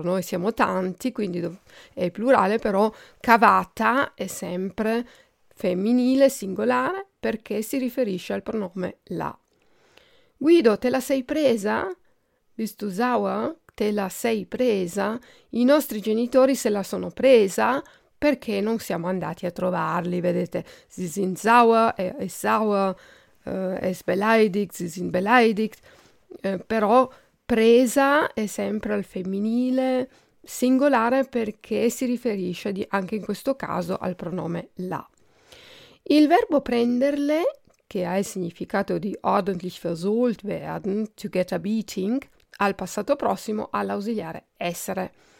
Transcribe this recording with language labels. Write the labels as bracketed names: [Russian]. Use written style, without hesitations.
[Italian] Noi siamo tanti, quindi è plurale, però cavata è sempre femminile, singolare, perché si riferisce al pronome la. Guido, te la sei presa? [German] Bist du sauer? [Italian] Te la sei presa? I nostri genitori se la sono presa perché non siamo andati a trovarli. Vedete, [German] sie sind sauer, er ist sauer, er ist beleidigt, sie sind beleidigt. [Italian] Però presa è sempre al femminile, singolare, perché si riferisce anche in questo caso al pronome la. Il verbo prenderle, che ha il significato di [German] ordentlich versohlt werden, [English] to get a beating, [Italian] al passato prossimo all'ausiliare essere.